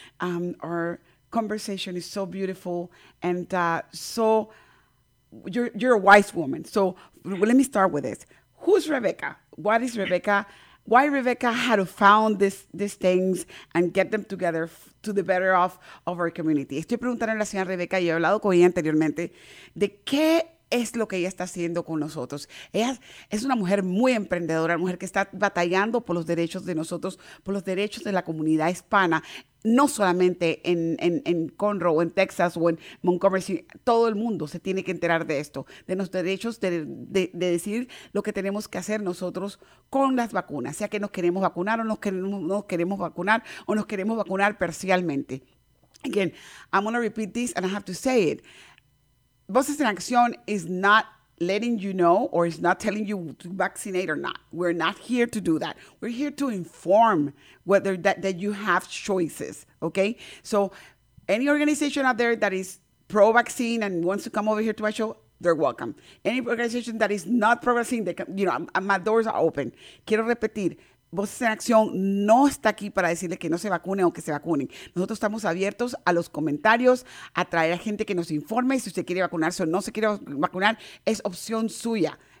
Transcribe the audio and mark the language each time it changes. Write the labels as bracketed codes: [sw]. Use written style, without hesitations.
[en] Our conversation is so beautiful, and you're a wise woman. So let me start with this. Who's Rebecca? What is Rebecca? Why Rebecca had found these things and get them together to the better of our community? [es] Estoy preguntando a la señora Rebecca, y he hablado con ella anteriormente, de qué es lo que ella está haciendo con nosotros. Ella es una mujer muy emprendedora, una mujer que está batallando por los derechos de nosotros, por los derechos de la comunidad hispana, no solamente en Conroe, en Texas o en Montgomery. Todo el mundo se tiene que enterar de esto, de los derechos de decir lo que tenemos que hacer nosotros con las vacunas, sea que nos queremos vacunar o nos queremos vacunar parcialmente. [en] Again, I'm going to repeat this and I have to say it. Voces en Acción is not letting you know, or is not telling you to vaccinate or not. We're not here to do that. We're here to inform whether that you have choices, okay? So any organization out there that is pro-vaccine and wants to come over here to my show, they're welcome. Any organization that is not pro-vaccine, my doors are open. [es] Quiero repetir. Voces en Acción no está aquí para decirle que no se vacunen o que se vacunen. Nosotros estamos abiertos a los comentarios, a traer a gente que nos informe. Si usted quiere vacunarse o no se quiere vacunar, es opción suya.